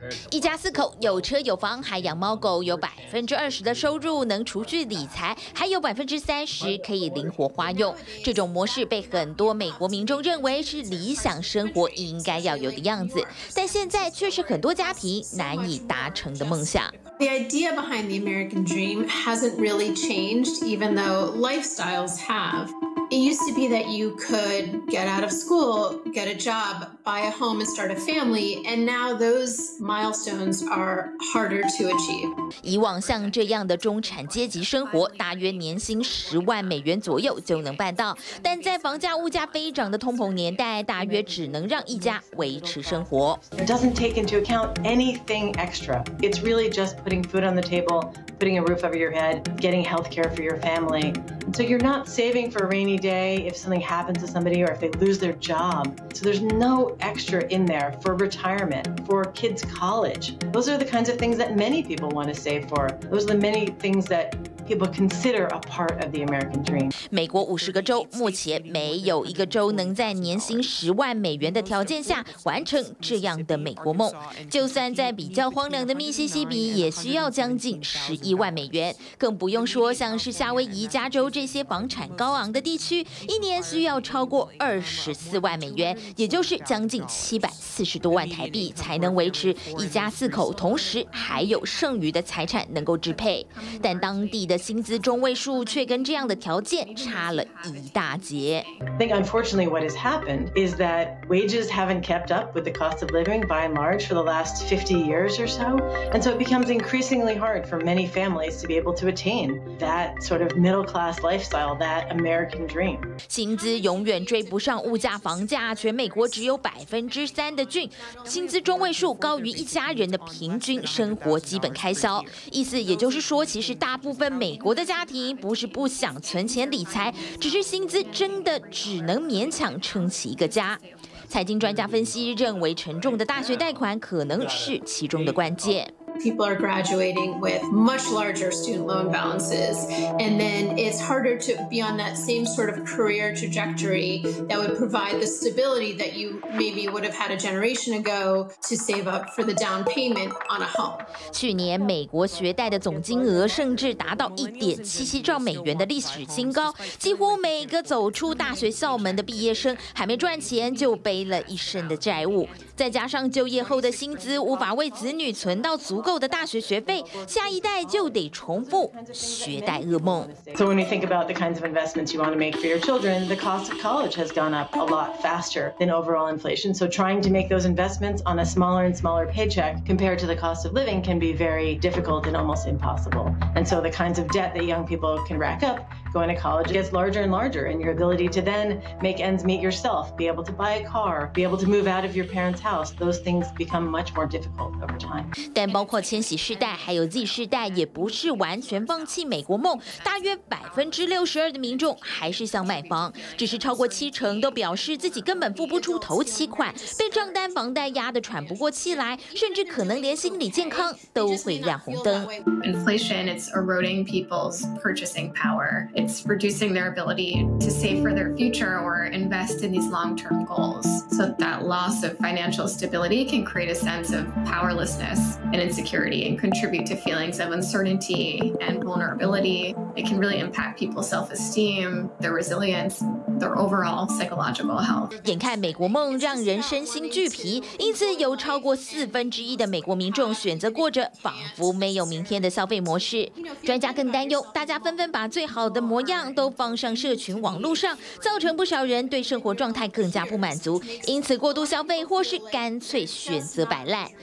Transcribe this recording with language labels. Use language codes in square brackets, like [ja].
[zh] 一家四口有车有房还养猫狗，有20%的收入能储蓄理财，还有30%可以灵活花用，这种模式被很多美国民众认为是理想生活应该要有的样子，但现在却是很多家庭难以达成的梦想。 [en] The idea behind the American dream hasn't really changed, even though lifestyles have. It used to be that you could get out of school, get a job, buy a home, and start a family, and now those milestones are harder to achieve. [zh] 以往像这样的中产阶级生活，大约年薪10万美元左右就能办到，但在房价物价飞涨的通膨年代，大约只能让一家维持生活。 [en] It doesn't take into account anything extra. It's really just putting food on the table, putting a roof over your head, getting health care for your family. So you're not saving for a rainy day if something happens to somebody or if they lose their job. So there's no extra in there for retirement, for kids' college. Those are the kinds of things that many people want to save for. Those are the many things that people consider a part of the American dream. [zh] 美国五十个州目前没有一个州能在年薪$100,000的条件下完成这样的美国梦。就算在比较荒凉的密西西比，也需要将近$1,000,000，更不用说像是夏威夷、加州这些房产高昂的地区，一年需要超过$2,400,000，也就是将近740多万台币，才能维持一家四口，同时还有剩余的财产能够支配。但当地的薪资中位数却跟这样的条件差了一大截。 [en] I think unfortunately what has happened is that wages haven't kept up with the cost of living by and large for the last 50 years or so, and so it becomes increasingly hard for many families to be able to attain that sort of middle class lifestyle, that American dream. [zh] 薪资永远追不上物价、房价，全美国只有3%的郡薪资中位数高于一家人的平均生活基本开销。意思也就是说，其实大部分美国的家庭不是不想存钱理财，只是薪资真的只能勉强撑起一个家。财经专家分析认为，沉重的大学贷款可能是其中的关键。 [en] People are graduating with much larger student loan balances, and then it's harder to be on that same sort of career trajectory that would provide the stability that you maybe would have had a generation ago to save up for the down payment on a home. [zh] 去年美国学贷的总金额甚至达到$1.77兆的历史新高，几乎每个走出大学校门的毕业生还没赚钱就背了一身的债务，再加上就业后的薪资无法为子女存到足够的大学学费，下一代就得重复学贷噩梦。 [en] So when you think about the kinds of investments you want to make for your children, the cost of college has gone up a lot faster than overall inflation. So trying to make those investments on a smaller and smaller paycheck compared to the cost of living can be very difficult and almost impossible. And so the kinds of debt that young people can rack up going to college gets larger and larger, and your ability to then make ends meet yourself, be able to buy a car, be able to move out of your parents' house, those things become much more difficult over time. [zh] 包括千禧世代还有 Z 世代也不是完全放弃美国梦，大约62%的民众还是想买房，只是超过70%都表示自己根本付不出头期款，被账单房贷压得喘不过气来，甚至可能连心理健康都会亮红灯。 [en] Inflation is eroding people's purchasing power. It's reducing their ability to save for their future or invest in these long-term goals. So that loss of financial stability can create a sense of powerlessness and insecurity and contribute to feelings of uncertainty and vulnerability. It can really impact people's self-esteem, their resilience, their overall psychological health. [zh] 眼看美国梦让人身心俱疲，因此有超过1/4的美国民众选择过着仿佛没有明天的消费模式。专家更担忧，大家纷纷把最好的模样都放上社群网络上，造成不少人对生活状态更加不满足，因此过度消费或是干脆选择摆烂。